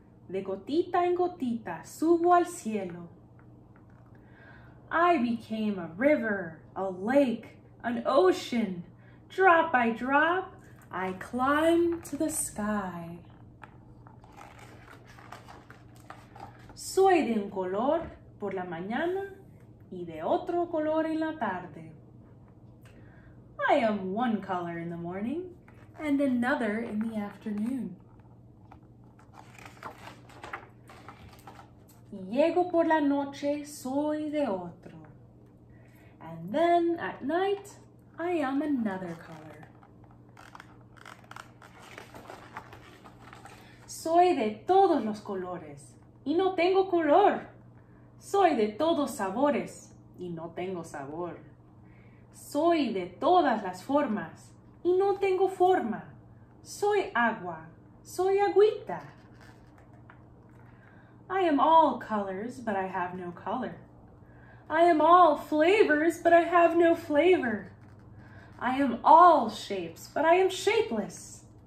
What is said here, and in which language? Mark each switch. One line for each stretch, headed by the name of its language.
Spanish: De gotita en gotita, subo al cielo.
English: I became a river, a lake, an ocean. Drop by drop, I climb to the sky.
Spanish: Soy de un color por la mañana, y de otro color en la tarde.
English: I am one color in the morning and another in the afternoon.
Spanish: Llego por la noche, soy de otro.
English: And then at night, I am another color.
Spanish: Soy de todos los colores y no tengo color. Soy de todos sabores y no tengo sabor. Soy de todas las formas y no tengo forma. Soy agua, soy agüita.
English: I am all colors, but I have no color. I am all flavors, but I have no flavor. I am all shapes, but I am shapeless.